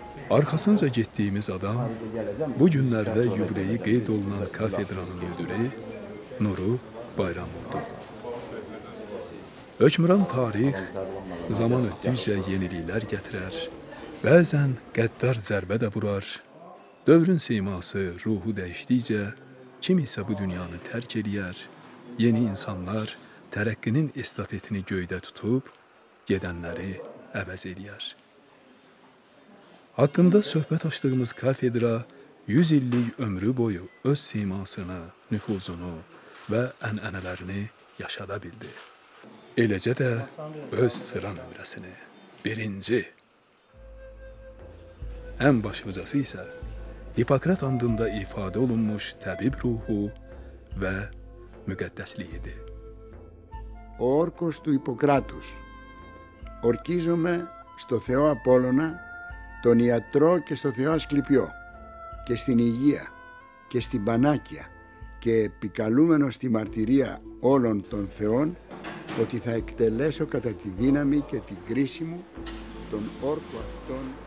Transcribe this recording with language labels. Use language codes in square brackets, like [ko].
[tr] Arkasınca gittiğimiz adam, bugünlerde yubileyi kayıt olunan kafedranın müdürü Nuru Bayramoğlu. Hökmran tarih, zaman ötdükçe yenilikler getirir. [az] Bəzən qəddar zərbə də vurar. Dövrün siması, ruhu dəyişdikcə, kim isə bu dünyanı tərk eləyər. Yeni insanlar tərəqqinin estafetini göydə tutub, gedənləri əvəz eləyər. Haqqında söhbət açdığımız kafedra 100 illik ömrü boyu öz simasını, nüfuzunu və ənənələrini yaşada bildi. Eləcə də öz sıra nömrəsini. Birinci. Ən başlıcası isə Hipokrat andında ifadə olunmuş təbib ruhu və müqəddəsliyidir. [el] Orkos του Hippokratus. Ορκίζομαι στο Θεό Απόλλωνα, τον ιατρό και στο Θεό Ασκληπιό, και στην υγεία και στην πανάκια, και επικαλούμενο στη μαρτυρία όλων των Θεών, ότι θα εκτελέσω κατά τη δύναμη και την κρίση μου τον όρκο αυτόν.